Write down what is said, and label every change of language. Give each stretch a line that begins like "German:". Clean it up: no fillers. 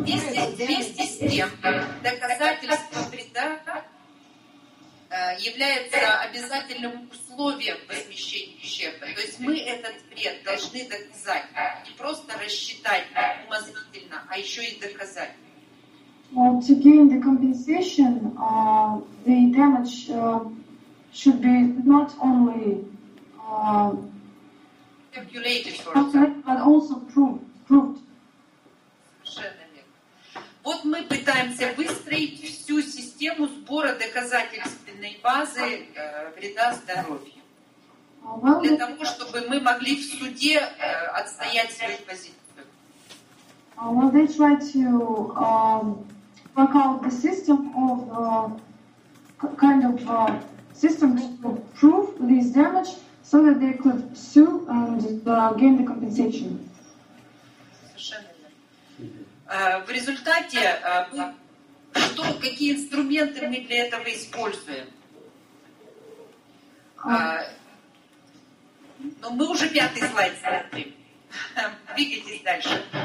Russian: Вместе с тем, доказательство вреда является обязательным условием возмещения ущерба. То есть мы этот вред должны доказать. Не просто рассчитать умозрительно, а еще и доказать.
English: Well, to gain the compensation, the damage should be not only calculated, but also proved.
Russian: Совершенно верно. Вот мы пытаемся выстроить всю систему сбора доказательственной базы вреда здоровью. Well, для того, чтобы мы могли в суде отстоять свою позицию.
English: Well, they try to work out the system of kind of system to prove this damage so that they could sue and gain the compensation.
Russian: В результате что, какие инструменты мы для этого используем? Ну, мы уже пятый слайд смотрим. Двигайтесь дальше.